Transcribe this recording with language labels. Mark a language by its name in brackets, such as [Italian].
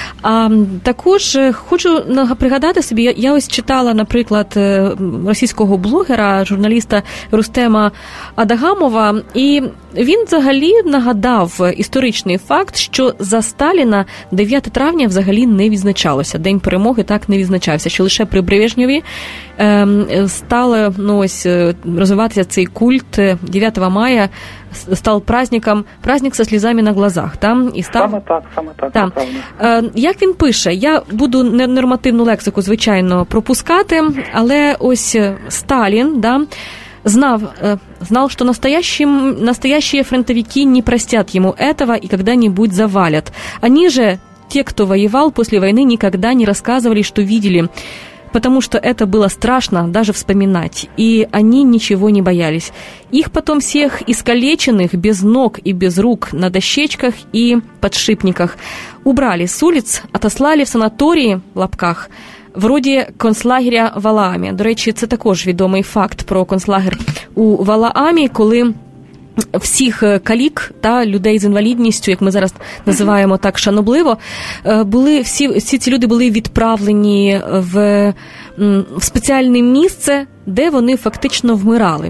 [Ukrainian] А також хочу пригадати собі, я ось читала, наприклад, російського блогера, журналіста Рустема Адагамова, і він взагалі нагадав історичний факт, що за Сталіна 9 травня взагалі не відзначалося. День Перемоги так не відзначався, що лише при Брежневі стало, ну, ось, розвиватися цей культ 9 мая, став праздником, [Russian] праздник со слізами на глазах, [Ukrainian] там і став. Саме так. Як він пише, я буду ненормативну лексику, звичайно, пропускати, але ось Сталін, да, знав, [Russian] что настоящие фронтовики не простят ему этого и когда-нибудь завалят. Они же, те, кто воевал после войны, никогда не рассказывали, что видели, потому что это было страшно даже вспоминать, и они ничего не боялись. Их потом всех искалеченных, без ног и без рук, на дощечках и подшипниках, убрали с улиц, отослали в санатории, в лапках, вроде концлагеря в Валаамі. [Ukrainian] До речі, це також відомий факт про концлагер у Валаамі, коли всіх калік та людей з інвалідністю, як ми зараз називаємо так шанобливо, були всі ці люди були відправлені в спеціальне місце, де вони фактично вмирали.